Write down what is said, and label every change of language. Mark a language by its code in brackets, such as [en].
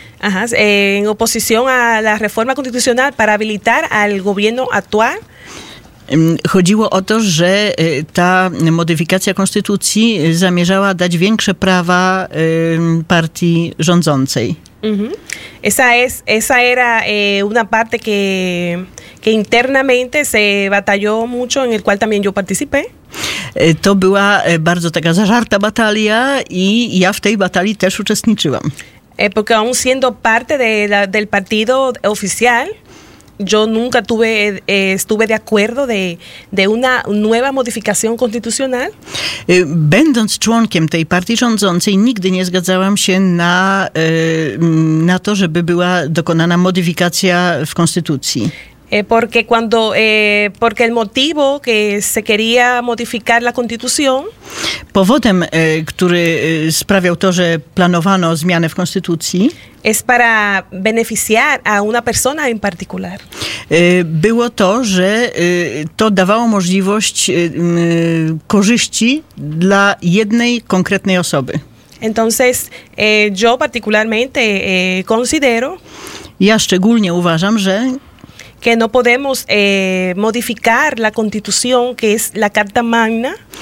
[es] Ajá, en oposición a la reforma constitucional para habilitar al gobierno actual. [pl] Chodziło o to, że ta modyfikacja konstytucji zamierzała dać większe prawa partii rządzącej. Mm-hmm. [es] Esa era una parte que internamente se batalló mucho, en el cual también yo participé. [pl] To była bardzo taka zażarta batalia i ja w tej batalii też uczestniczyłam. [es] Porque aún siendo parte del partido oficial, yo nunca estuve de acuerdo de una nueva modificación constitucional. [pl] Będąc członkiem tej partii rządzącej, nigdy nie zgadzałam się na to, żeby była dokonana modyfikacja w konstytucji. [es] Porque el motivo que se quería modificar la constitución. [pl] Powodem, który sprawiał to, że planowano zmianę w konstytucji. [es] Es para beneficiar a una persona en particular. [pl] Było to, że to dawało możliwość korzyści dla jednej konkretnej osoby. [es] Entonces, yo particularmente considero... [pl] Ja szczególnie uważam, że... [es] Que no podemos modificar la constitución, que es la Carta Magna.